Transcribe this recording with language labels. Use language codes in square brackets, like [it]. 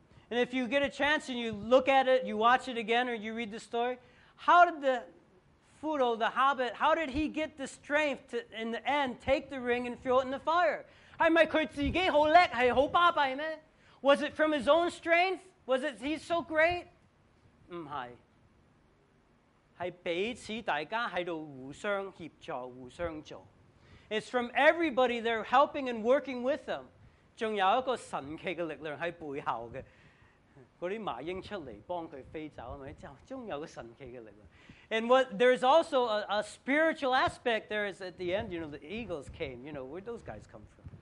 [en] And if you get a chance and you look at it, you watch it again, or you read the story, how did the hobbit, how did he get the strength to, in the end, take the ring and throw it in the fire? [zh] 是不是他自己很厉害,很厉害吗? [en] Was it from his own strength? Was it he's so great? [zh] 不是, 是彼此大家在互相协助,互相做。 [en] It's from everybody there helping and working with them. [zh] 还有一个神奇的力量在背后的。那些麻鹰出来帮他飞走,还有一个神奇的力量。 [en] And what there's also a spiritual aspect there is at the end, you know, the eagles came, you know, where'd those guys come from?